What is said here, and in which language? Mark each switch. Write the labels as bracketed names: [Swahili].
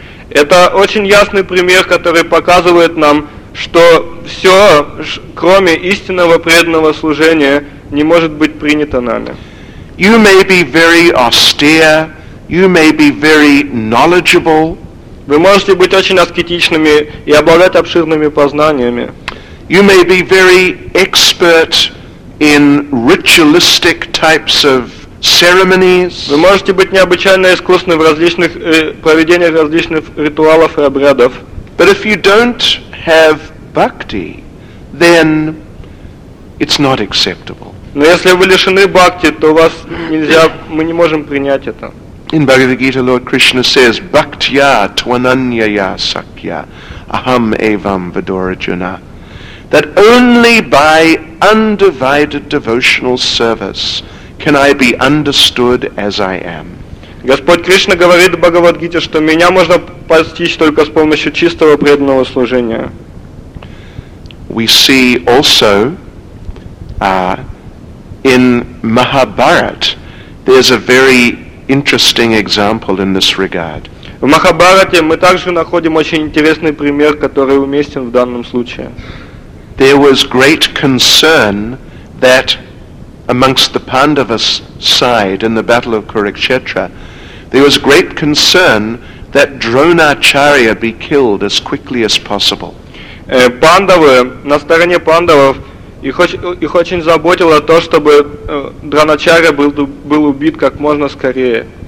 [Russian] Это очень ясный пример, который показывает нам, что все, кроме истинного преданного служения, не может быть принято нами. [English] You may be very austere, you may be very knowledgeable. [Russian] Вы можете быть очень аскетичными и обладать обширными познаниями. [English] You may be very expert in ritualistic types of ceremonies. [Russian] Вы можете быть необычайно искусны в различных проведениях различных ритуалов и обрядов. [English] But if you don't have bhakti, then it's not acceptable. [Russian] Но если вы лишены бхакти, то вас нельзя, мы не можем принять это. [English] In Bhagavad Gita, Lord Krishna says, [Sanskrit] "Bhaktya tvananyaya sakya, aham evam vidurajuna." [English] That only by undivided devotional service can I be understood as I am. [Russian] Господь Кришна говорит в Бхагавад-гите, что меня можно постичь только с помощью чистого преданного служения. [English] We see also in Mahabharat there's a very interesting example in this regard. [Russian] В Махабхарате мы также находим очень интересный пример, который уместен в данном случае. [English] There was great concern that amongst the Pandavas side in the battle of Kurukshetra, there was great concern that Dronacharya be killed as quickly as possible. [Russian] Пандавы, на стороне пандавов, их очень заботило то, чтобы Дроначарья был убит как можно скорее.